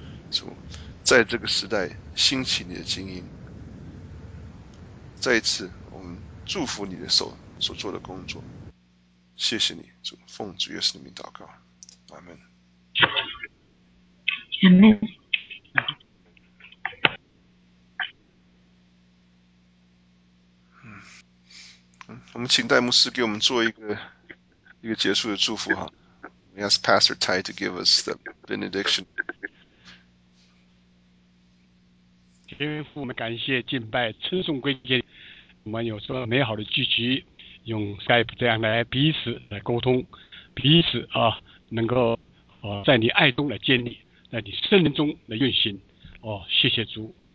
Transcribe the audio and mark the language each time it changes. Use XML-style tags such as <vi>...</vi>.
<zh>主，在这个时代兴起你的精英，再一次我们祝福你的手所做的工作，谢谢你主，奉主耶稣的名祷告，阿们。阿们。我们请戴牧师给我们做一个结束的祝福哈。</zh> <en>We ask Pastor Ty to give us the benediction.</en> <zh>天父，我们感谢、敬拜、称颂归给你。我们有这么美好的聚集，用 Skype 这样来彼此来沟通，彼此啊能够在你爱中来建立，在你圣灵中来运行。哦，谢谢主。</zh>